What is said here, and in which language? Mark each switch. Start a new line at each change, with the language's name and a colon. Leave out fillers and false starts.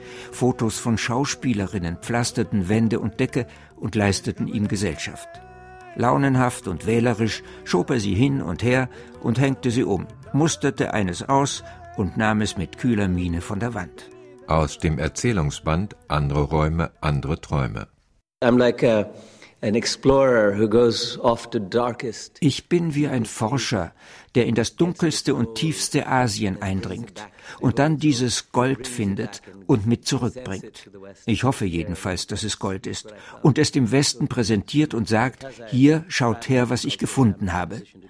German: Fotos von Schauspielerinnen pflasterten Wände und Decke und leisteten ihm Gesellschaft. Launenhaft und wählerisch schob er sie hin und her und hängte sie um, musterte eines aus und nahm es mit kühler Miene von der Wand. Aus dem Erzählungsband »Andere Räume, andere Träume«.
English: I'm like an explorer who goes off to darkest.
German: Ich bin wie ein Forscher, der in das dunkelste und tiefste Asien eindringt und dann dieses Gold findet und mit zurückbringt. Ich hoffe jedenfalls, dass es Gold ist und es dem Westen präsentiert und sagt, hier, schaut her, was ich gefunden habe.